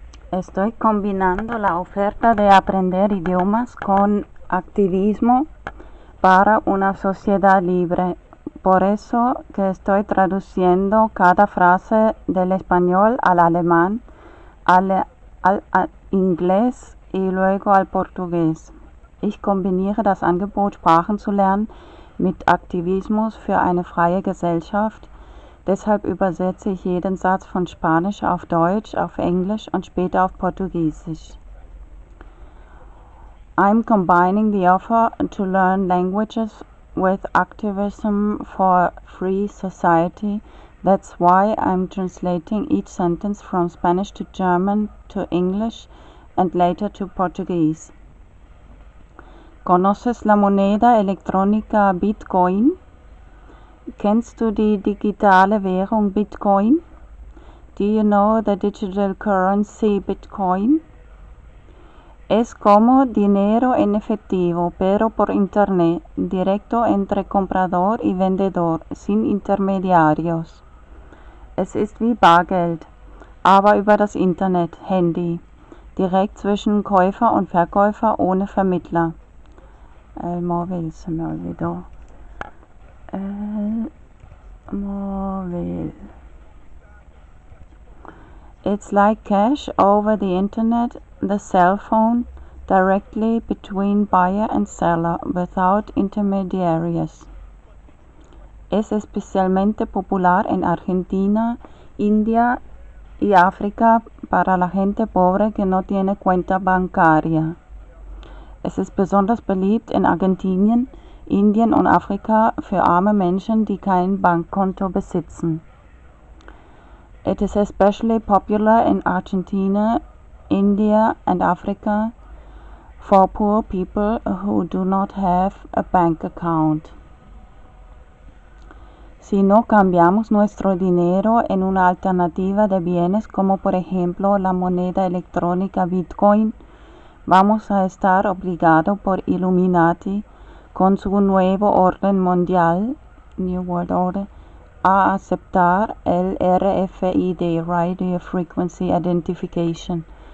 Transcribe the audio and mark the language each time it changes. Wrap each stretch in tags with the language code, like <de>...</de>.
<es>Estoy combinando la oferta de aprender idiomas con activismo para una sociedad libre. Por eso que estoy traduciendo cada frase del español al alemán, al inglés y luego al portugués.</es> <de>Ich kombiniere das Angebot, Sprachen zu lernen, mit Aktivismus für eine freie Gesellschaft. Deshalb übersetze ich jeden Satz von Spanisch auf Deutsch, auf Englisch und später auf Portugiesisch.</de> <en>I'm combining the offer to learn languages with activism for free society. That's why I'm translating each sentence from Spanish to German to English and later to Portuguese.</en> <es>¿Conoces la moneda electrónica Bitcoin?</es> <de>¿Kennst du die digitale Währung Bitcoin?</de> <en>Do you know the digital currency Bitcoin?</en> <es>Es como dinero en efectivo, pero por internet, directo entre comprador y vendedor, sin intermediarios.</es> <de>Es ist wie Bargeld, aber über das Internet, Handy, direkt zwischen Käufer und Verkäufer ohne Vermittler.</de> <es>El móvil, se me olvidó. El móvil.</es> <en>It's like cash over the internet, the cell phone, directly between buyer and seller, without intermediaries.</en> <es>Es especialmente popular en Argentina, India y África para la gente pobre que no tiene cuenta bancaria.</es> <de>Es ist besonders beliebt in Argentinien, Indien und Afrika für arme Menschen, die kein Bankkonto besitzen.</de> <en>It is especially popular in Argentina, India and Africa for poor people who do not have a bank account.</en> <es>Si no cambiamos nuestro dinero en una alternativa de bienes como por ejemplo la moneda electrónica Bitcoin, vamos a estar obligado por Illuminati con su nuevo orden mundial, New World Order, a aceptar el RFID, Radio Frequency Identification.</es>